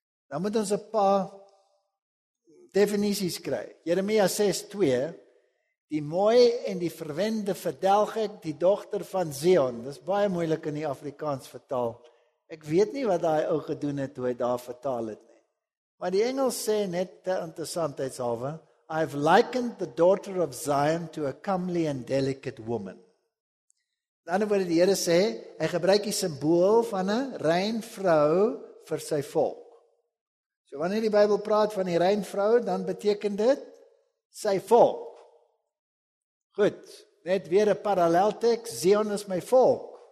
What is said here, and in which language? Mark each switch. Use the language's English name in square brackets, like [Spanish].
[Afrikaans] Nou moet ons 'n paar definisies kry. Jeremia 6:2, die mooi en die verwende verdelg ek die dogter van Zion. Dis baie moeilik in die Afrikaans vertaal. Ek weet nie wat daai ou gedoen het toe hy daar vertaal het nie. Maar die Engels sê net ter interessantheidshalwe, [English] I've likened the daughter of Zion to a comely and delicate woman. [Afrikaans] In ander woorde, die Here sê, hy gebruik die simbool van 'n rein vrou vir sy volk. So wanneer die Bybel praat van die rein vrou, dan beteken dit sy volk. Goed, net weer 'n parallelteks, Zion is my volk.